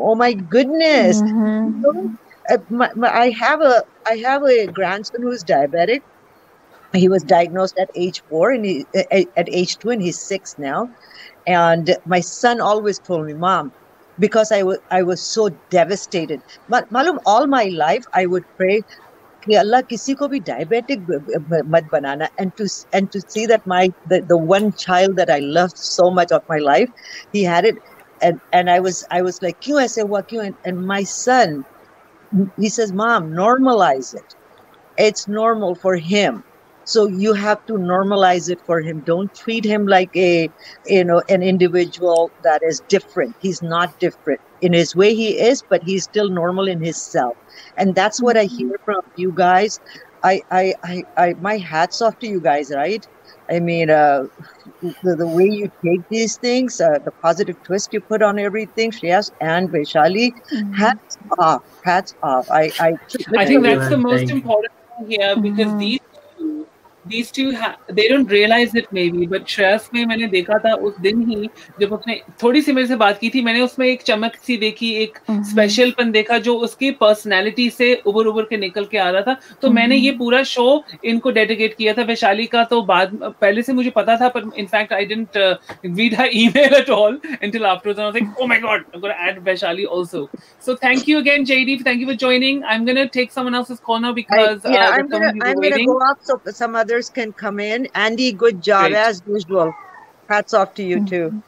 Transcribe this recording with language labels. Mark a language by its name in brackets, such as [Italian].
[English] Oh my goodness. Mm-hmm. You know, I have a grandson who's diabetic. He was diagnosed at age 4, and at age 2, and he's 6 now. And my son always told me, Mom, because I was so devastated. Malum, all my life, I would pray, [Hindi] कि अल्लाह किसी को भी diabetic मत बनाना. [English] and to see that my the one child that I love so much of my life he had it and I was like [Hindi] क्यों ऐसे हुआ क्यों. [English] And my son he says mom normalize it, it's normal for him. So you have to normalize it for him. Don't treat him like a, you know, an individual that is different. He's not different in his way he is, but he's still normal in his self. And that's what I hear from you guys. I my hat's off to you guys, right? I mean, the way you take these things, the positive twist you put on everything, Shreyas and Vaishali, hats off. I think that's the most important thing here because these two, they don't realize it maybe, but [Hindi] Shreyas में मैंने देखा था उस दिन ही जब उसने थोड़ी सी मेरे से बात की थी, मैंने उसमें एक चमक सी देखी, एक स्पेशल पन देखा जो उसकी पर्सनैलिटी से उभर उभर के निकल के आ रहा था. तो मैंने ये पूरा शो इनको डेडिकेट किया था, वैशाली का तो बाद पहले से मुझे पता था, पर [English] In fact I didn't read her email at all until afterwards. I was like oh my God, I am gonna add Vaishali also. So thank you again JD, thank you for joining. I am gonna take someone else's call now because I am gonna go off so some other can come in. Andy, good job. Great. As usual, hats off to you too.